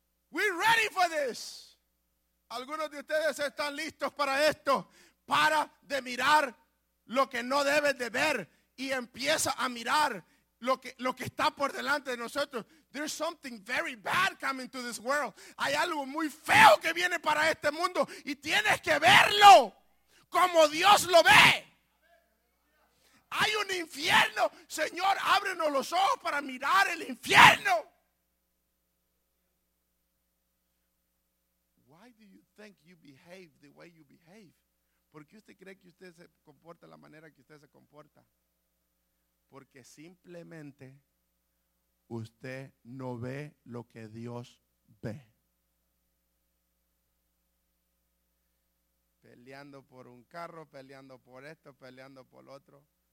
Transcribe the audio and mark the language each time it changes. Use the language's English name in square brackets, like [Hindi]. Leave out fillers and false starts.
[Spanish] We're ready for this. Algunos de ustedes están listos para esto. Para de mirar lo que no debes de ver y empieza a mirar lo que está por delante de nosotros. [English] There's something very bad coming to this world. [Spanish] Hay algo muy feo que viene para este mundo y tienes que verlo como Dios lo ve. Hay un infierno. Señor, ábrenos los ojos para mirar el infierno. [English] Why do you think you behave the way you behave? [Spanish] ¿Por qué usted cree que usted se comporta la manera que usted se comporta? Porque simplemente usted no ve lo que Dios ve. Peleando por un carro, peleando por esto, peleando por lo otro.